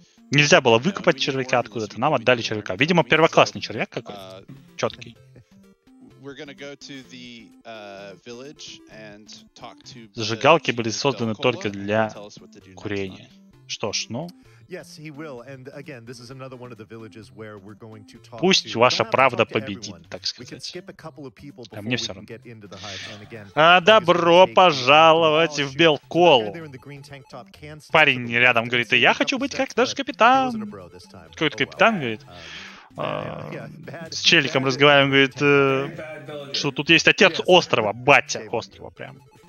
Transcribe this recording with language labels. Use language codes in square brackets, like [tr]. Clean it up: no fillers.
[ru] Нельзя было выкопать червяка откуда-то, нам отдали червяка. Видимо, первоклассный червяк какой-то, четкий. [en] We're gonna go to the village and talk to. [ru] Зажигалки были созданы только для курения. Что ж, ну. [en] Yes, he will. And again, this is another one of the villages where we're going to talk. [ru] Пусть ваша правда победит, так сказать. А мне все равно. А добро пожаловать в Белкол. Парень рядом говорит: я хочу быть как наш капитан. Какой-то капитан говорит. С челиком разговариваем, говорит, что тут есть отец острова, батя острова прям.